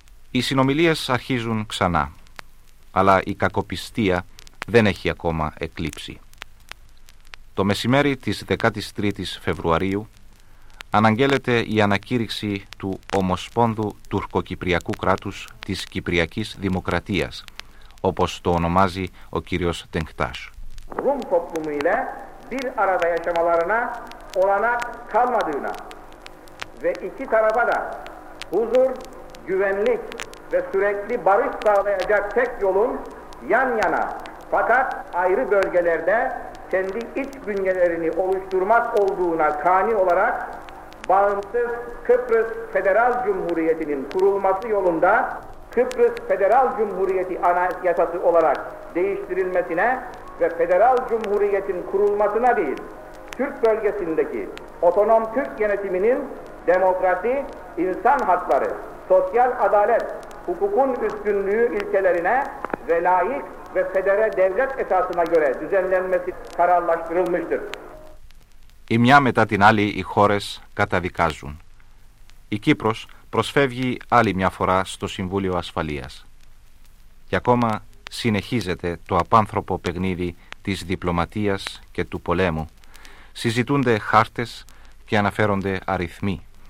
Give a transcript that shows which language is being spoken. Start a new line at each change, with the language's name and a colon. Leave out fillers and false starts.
Greek: Οι συνομιλίες αρχίζουν ξανά, αλλά η κακοπιστία δεν έχει ακόμα εκλείψει. Το μεσημέρι της 13ης Φεβρουαρίου αναγγέλλεται η ανακήρυξη του Ομοσπόνδου Τουρκοκυπριακού Κράτους της Κυπριακής Δημοκρατίας, όπως το ονομάζει ο κύριος Τενκτάς.
Turkish: Rum toplumu ile bir arada yaşamalarına olanak kalmadığına ve iki tarafa da huzur, güvenlik ve sürekli barış sağlayacak tek yolun yan yana fakat ayrı bölgelerde kendi iç bünyelerini oluşturmak olduğuna kani olarak bağımsız Kıbrıs Federal Cumhuriyeti'nin kurulması yolunda Kıbrıs Federal Cumhuriyeti Anayasası olarak değiştirilmesine ve Federal Cumhuriyet'in kurulmasına değil, Türk bölgesindeki otonom Türk yönetiminin demokrasi, insan hakları, sosyal adalet, hukukun üstünlüğü ilkelerine ve layık ve federe devlet esasına göre düzenlenmesi kararlaştırılmıştır.
Greek: Η μια μετά την άλλη οι χώρες καταδικάζουν. Η Κύπρος προσφεύγει άλλη μια φορά στο Συμβούλιο Ασφαλείας. Και ακόμα συνεχίζεται το απάνθρωπο παιχνίδι της διπλωματίας και του πολέμου. Συζητούνται χάρτες και αναφέρονται αριθμοί.